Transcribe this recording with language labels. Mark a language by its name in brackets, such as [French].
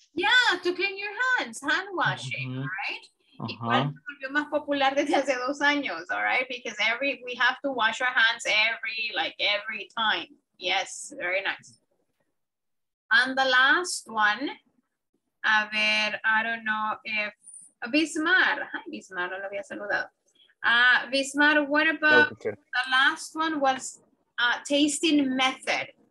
[English] Yeah, to clean your hands, hand washing, right? [Spanish] Igual volvió más popular desde hace 2 años, [English] all right? Because we have to wash our hands every time. Yes, very nice. And the last one, [Spanish] a ver, [English] I don't know if Bismar. Hi, Bismar, [Spanish] no lo había saludado. [English] Bismar, what about the last one was tasting method.